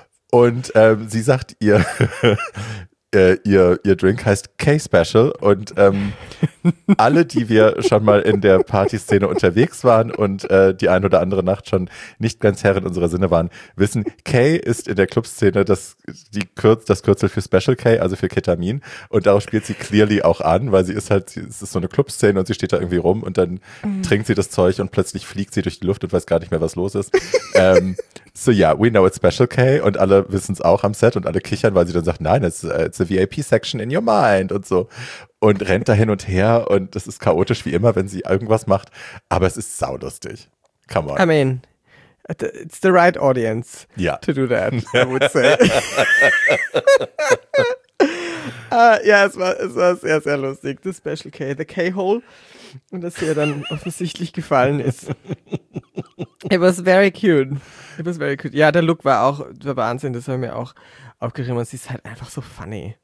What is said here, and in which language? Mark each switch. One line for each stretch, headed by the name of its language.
German: Und sie sagt ihr Drink heißt K-Special und alle, die wir schon mal in der Partyszene unterwegs waren und die ein oder andere Nacht schon nicht ganz Herr in unserer Sinne waren, wissen, K ist in der Clubszene das Kürzel für Special K, also für Ketamin, und darauf spielt sie clearly auch an, weil es ist so eine Clubszene und sie steht da irgendwie rum und dann trinkt sie das Zeug und plötzlich fliegt sie durch die Luft und weiß gar nicht mehr, was los ist.
English: we know it's Special K
German: und alle wissen es auch am Set und alle kichern, weil sie dann sagt, nein,
English: it's a VIP-Section in your mind
German: und so. Und rennt da hin und her und es ist chaotisch wie immer, wenn sie irgendwas macht. Aber es ist saulustig.
English: Come on. I mean, it's the right audience to do that, I would say.
German: Ja, es war sehr, sehr lustig. Das Special K,
English: the K-Hole.
German: Und dass ihr dann offensichtlich gefallen ist.
English: It was very cute.
German: Ja, der Look war Wahnsinn. Das haben wir auch aufgerieben. Und sie ist halt einfach so funny.